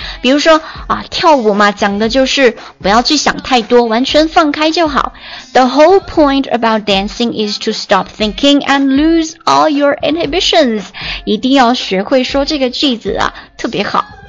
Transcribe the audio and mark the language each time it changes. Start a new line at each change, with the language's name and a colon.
Chinese: 比如说啊，跳舞嘛，讲的就是不要去想太多，完全放开就好。
English: The whole point about dancing is to stop thinking and lose all your inhibitions.
Chinese: 一定要学会说这个句子啊，特别好。